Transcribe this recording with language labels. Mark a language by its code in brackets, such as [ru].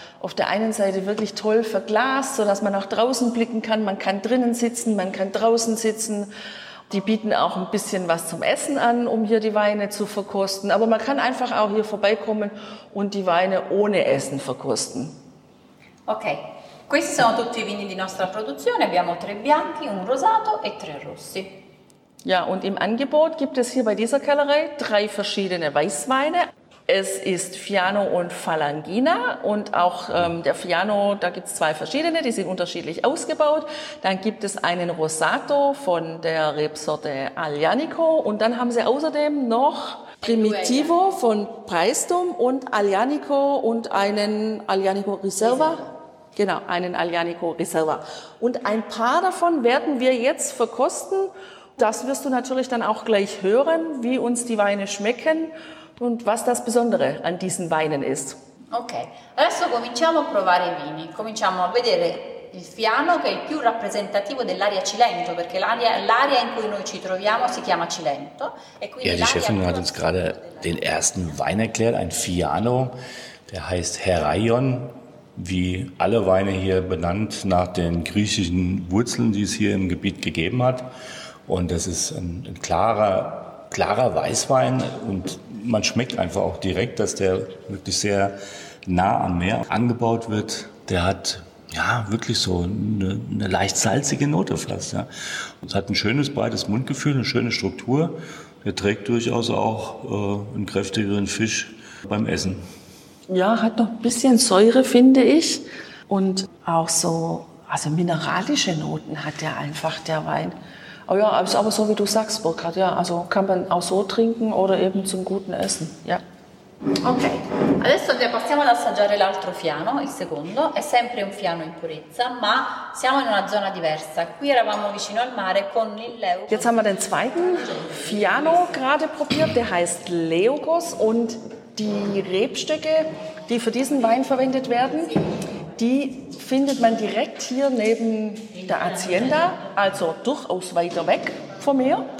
[de] Auf der einen Seite wirklich toll verglast, sodass man nach draußen blicken kann. Man kann drinnen sitzen, man kann draußen sitzen. Die bieten auch ein bisschen was zum Essen an, um hier die Weine zu verkosten. Aber man kann einfach auch hier vorbeikommen und die Weine ohne Essen verkosten. [it] Okay, questi sono tutti i vini di nostra produzione. Abbiamo 3 bianchi, un rosato e 3 rossi. [de] Ja, und im Angebot gibt es hier bei dieser Kellerei 3 verschiedene Weißweine. Es ist Fiano und Falanghina und auch der Fiano, da gibt es 2 verschiedene, die sind unterschiedlich ausgebaut. Dann gibt es einen Rosato von der Rebsorte Aglianico und dann haben sie außerdem noch Primitivo von Paestum und Aglianico und einen Aglianico Reserva. Genau, einen Aglianico Reserva. Und ein paar davon werden wir jetzt verkosten. Das wirst du natürlich dann auch gleich hören, wie uns die Weine schmecken. Und was das Besondere an diesen Weinen ist. [it] Okay, adesso cominciamo a provare i vini. Cominciamo a vedere il Fiano, che è il più rappresentativo dell'area Cilento, perché l'area in cui noi ci troviamo si chiama Cilento. E quindi [de] ja, die Chefin hat uns gerade den ersten Wein erklärt, ein Fiano, der heißt Heraion, wie alle Weine hier benannt nach den griechischen Wurzeln, die es hier im Gebiet gegeben hat. Und das ist ein klarer Weißwein und man schmeckt einfach auch direkt, dass der wirklich sehr nah am Meer angebaut wird. Der hat ja wirklich so eine leicht salzige Note fast. Ja. Es hat ein schönes, breites Mundgefühl, eine schöne Struktur. Der trägt durchaus auch einen kräftigeren Fisch beim Essen. Ja, hat noch ein bisschen Säure, finde ich. Und auch so, also mineralische Noten hat der einfach, der Wein. Oh ja, ist aber so, wie du sagst, Burkhard. Ja, also kann man auch so trinken oder eben zum guten Essen. Ja. Okay. [it] Adesso passiamo ad assaggiare l'altro Fiano, il secondo. È sempre un Fiano in purezza, ma siamo in una zona diversa. Qui eravamo vicino al mare con il Leucos. [de] Jetzt haben wir den zweiten Fiano gerade probiert. Der heißt Leucos und Die Rebstöcke, die für diesen Wein verwendet werden, die findet man direkt hier neben der Hacienda, also durchaus weiter weg von mir.